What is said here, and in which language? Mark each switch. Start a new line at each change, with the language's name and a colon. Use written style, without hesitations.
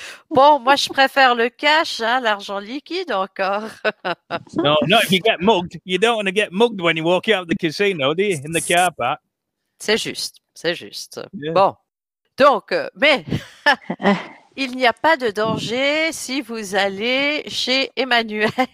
French: Bon, moi, je préfère le cash, hein, l'argent liquide encore.
English: No, not if you get mugged. You don't want to get mugged when you walk out of the casino, do you, in the car park?
French: C'est juste, c'est juste. Yeah. Bon, donc, mais il n'y a pas de danger si vous allez chez Emmanuelle.